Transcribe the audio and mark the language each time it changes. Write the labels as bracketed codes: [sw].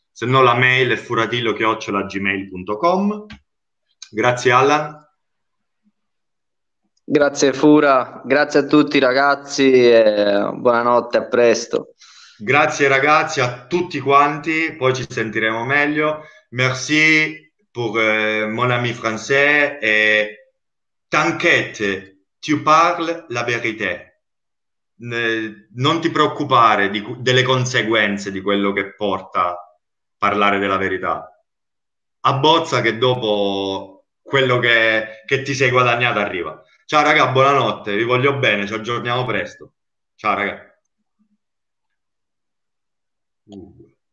[it] Se no la mail è furatillo@gmail.com. Grazie Alan. Grazie Fura, grazie a tutti ragazzi e buonanotte, a presto. Grazie ragazzi a tutti quanti, poi ci sentiremo meglio. [fr] Merci pour mon ami français et t'inquiète, tu parles la vérité. [it] Non ti preoccupare delle conseguenze di quello che porta a parlare della verità. Abbozza che dopo quello che ti sei guadagnato arriva. Ciao raga, buonanotte, vi voglio bene, ci aggiorniamo presto. Ciao raga. Grazie.